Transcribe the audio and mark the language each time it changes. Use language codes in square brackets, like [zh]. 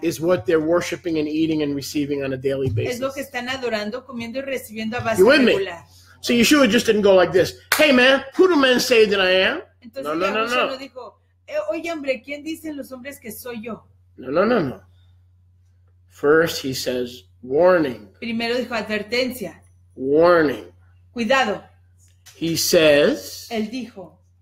[en] Is what they're worshiping and eating and receiving on a daily basis. [es] Es lo que están adorando, comiendo y recibiendo a base regular. [en] You with me? So Yeshua just didn't go like this. Hey man, who do men say that I am? [es] Entonces, no. No dijo, oye hombre, ¿quién dicen los hombres que soy yo? [en] No. First he says, warning. [es] Primero dijo advertencia. [en] Warning. [es] Cuidado. [en] He says. [es] Él dijo.